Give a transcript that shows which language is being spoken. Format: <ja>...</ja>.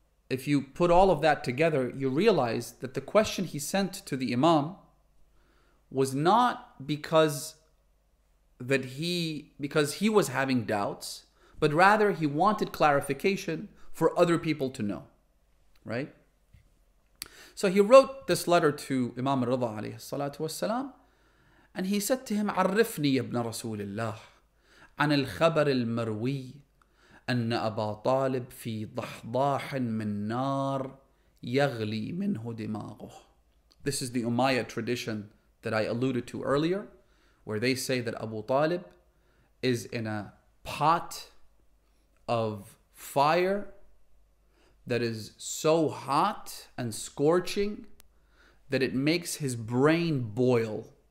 <en>if you put all of that together, you realize that the question he sent to the Imam was not because he was having doubts, but rather he wanted clarification for other people to know, right? So he wrote this letter to Imam Rida alayhi salatu wasalam, and he said to him,</en> <ar>عرفني ابن رسول الله عن الخبر المروي أن أبا طالب في ضحضاح من نار يغلي منه دماغه.</ar> <en>This is the Umayyad tradition that I alluded to earlier, where they say that Abu Talib is in a pot of fire that is so hot and scorching that it makes his brain boil.</en>